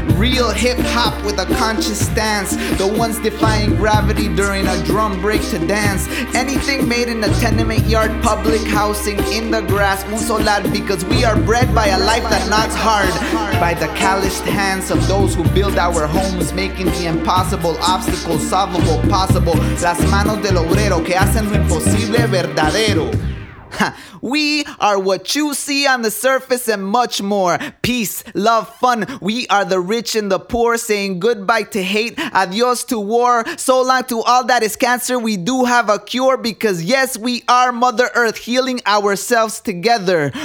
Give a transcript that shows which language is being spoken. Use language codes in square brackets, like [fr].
[en] Real hip-hop with a conscious stance, the ones defying gravity during a drum break to dance. Anything made in a tenement yard, public housing, in the grass, [es] un solar, [en] because we are bred by a life that knocks hard, by the calloused hands of those who build our homes, making the impossible obstacles solvable possible. [es] Las manos del obrero que hacen lo imposible verdadero. [en] We are what you see on the surface and much more. Peace, love, fun. We are the rich and the poor, saying goodbye to hate, adios to war. So long to all that is cancer, we do have a cure. Because yes, we are Mother Earth, healing ourselves together.